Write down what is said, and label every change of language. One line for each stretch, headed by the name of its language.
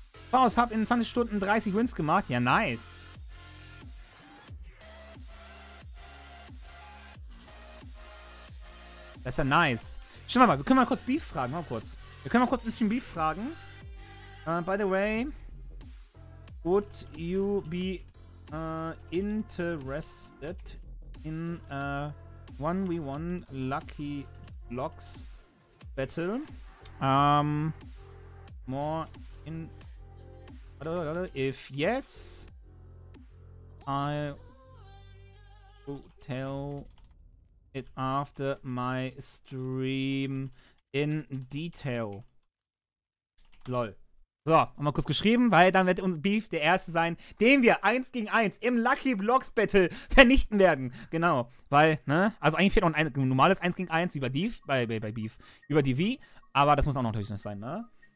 German: Faust, hab in 20 Stunden 30 Wins gemacht. Ja, nice. Das ist ja nice. Schau mal, wir können mal kurz Beef fragen. Mal kurz. Wir können mal kurz ein bisschen Beef fragen.
English: By the way, would you be. Interested in a 1v1 Lucky Blocks Battle. More in. If yes, I will tell it after my stream in detail. Lol.
German: So, haben wir kurz geschrieben, weil dann wird unser Beef der erste sein, den wir 1 gegen 1 im Lucky Blocks Battle vernichten werden. Genau, weil, ne, also eigentlich fehlt noch ein normales 1 gegen 1 über Beef, bei Beef, über Divi, aber das muss auch noch natürlich nicht sein, ne.